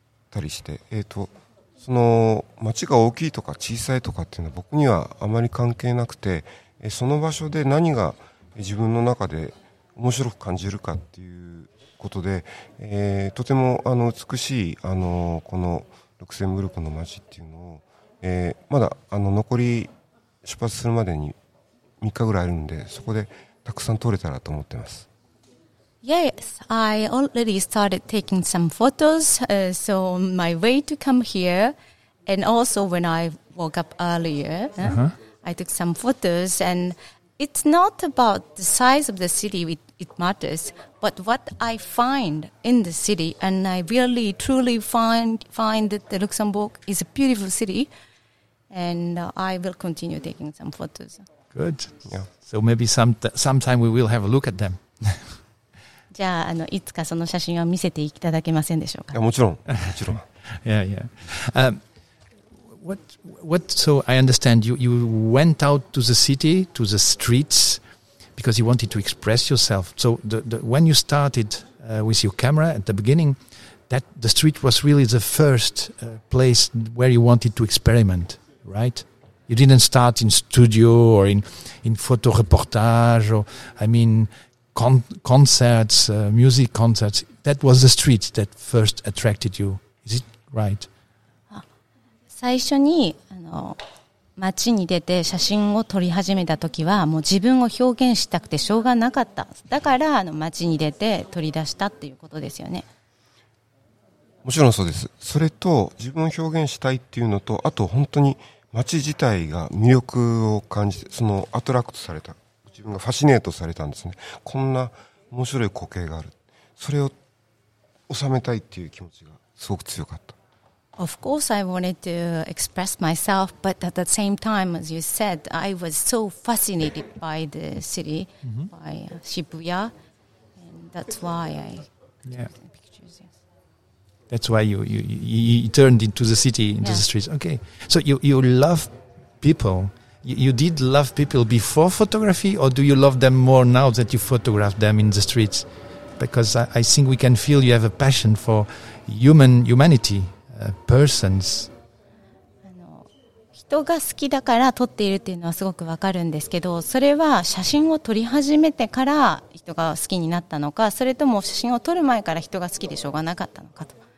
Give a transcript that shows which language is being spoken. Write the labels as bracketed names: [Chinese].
[Japanese] たりして、その街が大きいとか小さいとかっていうのは僕にはあまり関係なくて、その場所で何が自分の中で面白く感じるかっていうことで、とても美しいこのルクセンブルクの街っていうのを、まだ残り出発するまでに3日ぐらいあるんで、そこでたくさん撮れたらと思ってます。 [English] Yes, I already started taking some photos, so on my way to come here and also when I woke up earlier, I took some photos andIt's not about the size of the city, it matters, but what I find in the city, and I really, truly find that the Luxembourg is a beautiful city, and I will continue taking some photos. Good. Yeah. So maybe sometime we will have a look at them. [Japanese] じゃあ、いつかその写真を見せていただけませんでしょうか？いや、もちろん、もちろん。 [English] Yeah, yeah. What? So I understand you went out to the city, to the streets, because you wanted to express yourself. So when you started with your camera at the beginning, that the street was really the first place where you wanted to experiment, right? You didn't start in studio or in photo reportage, or concerts, music concerts. That was the street that first attracted you. Is it right? [Japanese] 最初に街に出て写真を撮り始めた時はもう自分を表現したくてしょうがなかった。だから街に出て撮り出したっていうことですよね。もちろんそうです。それと自分を表現したいっていうのと、あと本当に街自体が魅力を感じて、そのアトラクトされた。自分がファシネートされたんですね。こんな面白い光景がある。それを収めたいっていう気持ちがすごく強かった。 [English] Of course, I wanted to express myself, but at the same time, as you said, I was so fascinated by the city, mm-hmm. by Shibuya, and that's why I took the pictures. Yes. That's why you turned into the city, into the streets. Okay, so you love people. You did love people before photography, or do you love them more now that you photograph them in the streets? Because I think we can feel you have a passion for humanity. Persons. [Japanese] 人が好きだから撮っているっていうのはすごくわかるんですけど、それは写真を撮り始めてから人が好きになったのか、それとも写真を撮る前から人が好きでしょうがなかったのかと。